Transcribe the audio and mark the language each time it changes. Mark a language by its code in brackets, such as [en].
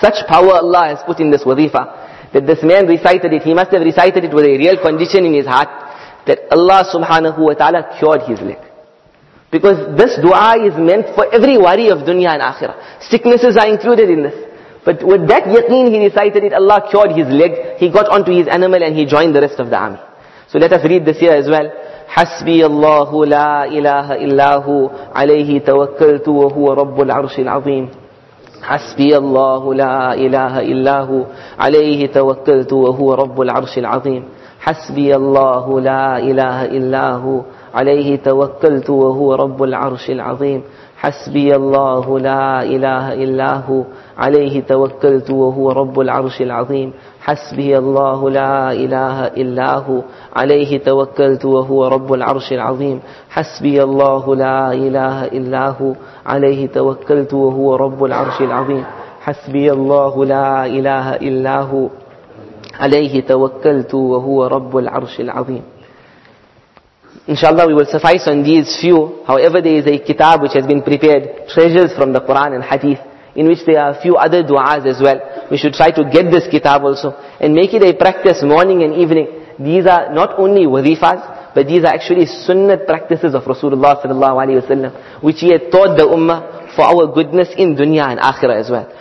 [en] Such power Allah has put in this wazifa, that this man recited it. He must have recited it with a real condition in his heart, that Allah subhanahu wa ta'ala cured his leg. Because this dua is meant for every worry of dunya and akhirah. Sicknesses are included in this. But with that yaqeen he recited it, Allah cured his leg. He got onto his animal and he joined the rest of the army. So let us read this here as well. [ar] حسبي الله لا إله إلا هو عليه توكلت وهو رب العرش العظيم حسبي الله لا إله إلا هو عليه توكلت وهو رب العرش العظيم حسبي الله لا إله إلا هو عليه توكلت وهو رب العرش العظيم حسبي الله لا إله إلا هو عليه توكلت وهو رب العرش العظيم حسبي الله لا إله إلا هو عليه توكلت وهو رب العرش العظيم حسبي الله لا إله إلا هو عليه توكلت وهو رب العرش العظيم حسبي الله لا إله إلا هو عليه توكلت وهو رب العرش العظيم. [en] Inshallah, we will suffice on these few. However, there is a kitab which has been prepared, Treasures from the Quran and Hadith, in which there are a few other du'as as well. We should try to get this kitab also and make it a practice morning and evening. These are not only wazifas, but these are actually sunnah practices of Rasulullah sallallahu alaihi wasallam, which he had taught the ummah for our goodness in dunya and akhirah as well.